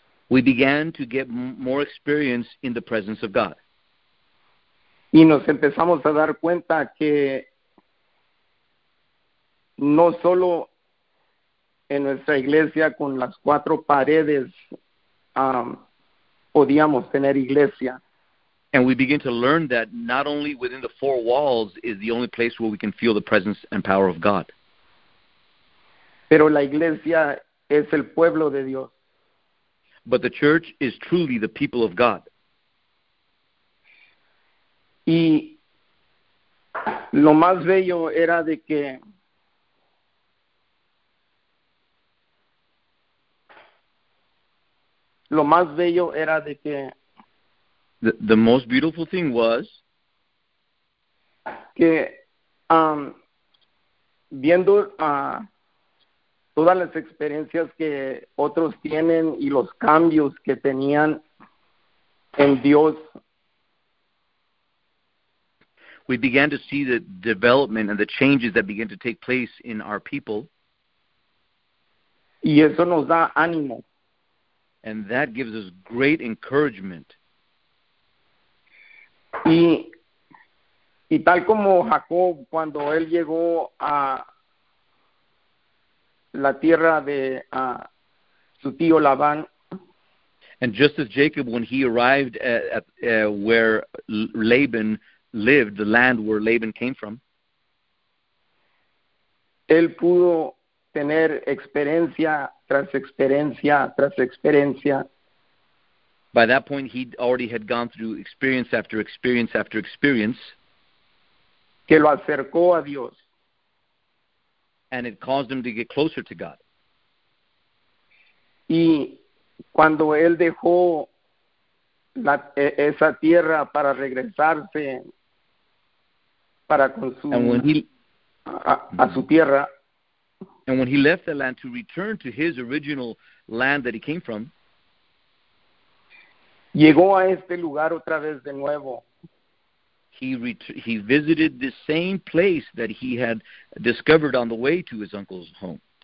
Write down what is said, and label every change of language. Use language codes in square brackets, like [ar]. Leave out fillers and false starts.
[en] We began to get more experience in the presence of God. [es] Y nos empezamos a dar cuenta que no solo en nuestra iglesia con las cuatro paredes podíamos tener iglesia. [en] And we begin to learn that not only within the four walls is the only place where we can feel the presence and power of God. [es] Pero la iglesia es el pueblo de Dios. [en] But the church is truly the people of God. [es] Y lo más bello era de que [en] The most beautiful thing was [es] que viendo todas las experiencias que otros tienen y los cambios que tenían en Dios. [en] We began to see the development and the changes that began to take place in our people. [es] Y eso nos da ánimo. [en] And that gives us great encouragement. [es] Y tal como Jacob, cuando él llegó a la tierra de su tío Labán. [en] And just as Jacob, when he arrived at where Laban lived, the land where Laban came from. [es] Él pudo tener experiencia tras experiencia tras experiencia. [en] By that point, he already had gone through experience after experience after experience. [es] Que lo acercó a Dios. [en] And it caused him to get closer to God. [es] Y cuando él dejó esa tierra para regresarse para con su, a su tierra. [en] And when he left the land to return to his original land that he came from, [es] llegó a este lugar otra vez de nuevo. [en] He visited the same place that he had discovered on the way to his uncle's home.